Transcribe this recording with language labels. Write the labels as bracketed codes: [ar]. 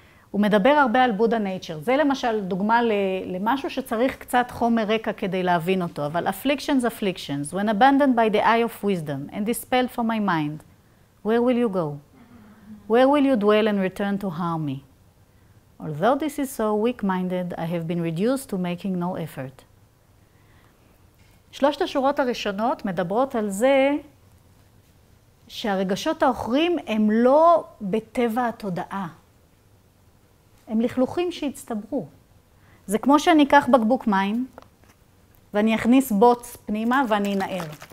[he] הוא מדבר הרבה על בודה נייצ'ר. זה למשל דוגמה למשהו שצריך קצת חומר רקע כדי להבין אותו. אבל afflictions, afflictions. [en] When abandoned by the eye of wisdom and dispelled from my mind, where will you go? Where will you dwell and return to harm me? Although this is so weak-minded, I have been reduced to making no effort. [he] שלושת השורות הראשונות מדברות על זה שהרגשות האוחרים הם לא בטבע התודעה. הם לכלוכים שהצטברו. זה כמו שאני אקח בקבוק מים ואני אכניס בוץ פנימה ואני אנער.